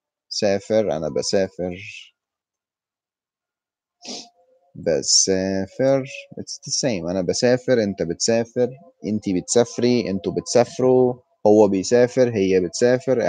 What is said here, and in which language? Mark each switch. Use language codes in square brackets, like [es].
[ar] Safir, أنا بسافر. [en] بسافر, it's the same. [ar] أنا بسافر, أنت بتسافر. أنت بتسافري, أنتوا بتسافروا. هو بيسافر, هي بتسافر.